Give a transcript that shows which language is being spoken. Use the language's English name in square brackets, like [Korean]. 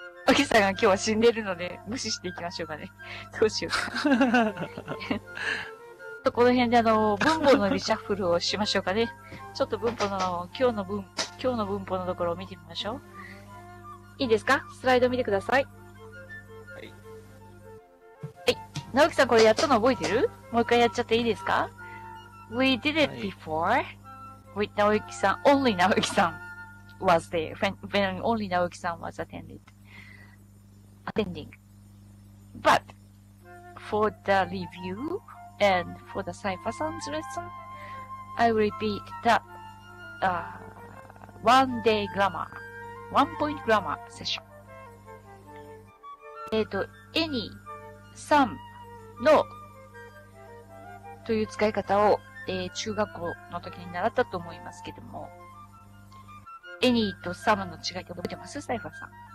[Japanese] おきさんが今日は死んでるので無視していきましょうかね。どうしようかとこの辺で文法のリシャッフルをしましょうかね。ちょっと文法の今日の文法のところを見てみましょう。いいですか、スライド見てください。はい、はい、直樹さん、これやったの覚えてる？もう一回やっちゃっていいですか？ [English] We did it before、はい、With Naoki-san, only Naoki-san was there. When only Naoki-san was attending. But for the review and for the Saifa-san's lesson, I repeat that one-day grammar, one-point grammar session. [Japanese] Any, some, no という使い方を中学校の時に習ったと思いますけども、エニーとサムの違いって覚えてます？サイファーさん。